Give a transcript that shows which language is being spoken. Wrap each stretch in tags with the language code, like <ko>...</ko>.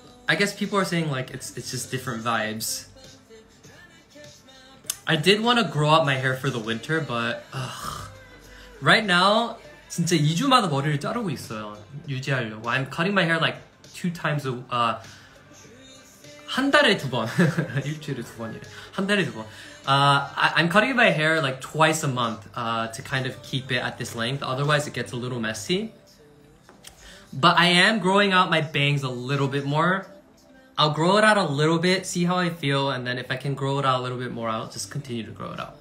<en>I guess people are saying like it's just different vibes. I did want to grow out my hair for the winter, but ugh. Right now,</en> <ko>진짜 2주마다 머리를 자르고 있어요. 유지하려고.</ko> <en>I'm cutting my hair like 2 times a week.</en> <ko>한 달에 두 번, 일주일에 두 번이래. 한 달에 두 번.</ko> <en>I'm cutting my hair like twice a month to kind of keep it at this length. Otherwise, it gets a little messy. But I am growing out my bangs a little bit more. I'll grow it out a little bit, see how I feel, and then if I can grow it out a little bit more, I'll just continue to grow it out.</en>